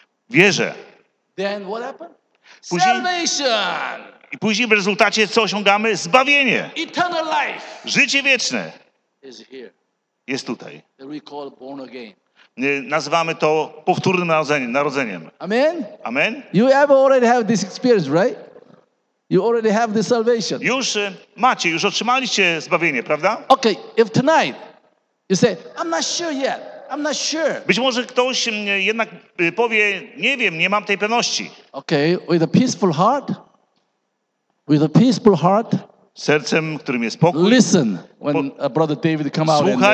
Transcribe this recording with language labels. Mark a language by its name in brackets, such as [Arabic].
[Polish] Wierzę. [English] Then what happened? Salvation. [Polish] I później w rezultacie co osiągamy? Zbawienie. [English] Eternal life. [Polish] Życie wieczne. [English] Is here. [Polish] Jest tutaj. [English] That we call born again. [Polish] Nazywamy to powtórnym narodzeniem. [English] Amen. [Polish] Amen. [English] You have already have this experience, right? You already have the salvation. [Polish] Już otrzymaliście zbawienie, prawda? [English] Okay. If tonight you say, I'm not sure yet. I'm not sure. [Polish] Być może ktoś jednak powie, nie wiem, nie mam tej pewności. [English] Okay. With a peaceful heart. With a peaceful heart. [Polish] Sercem, którym jest pokój. [English] Listen when a brother David come out.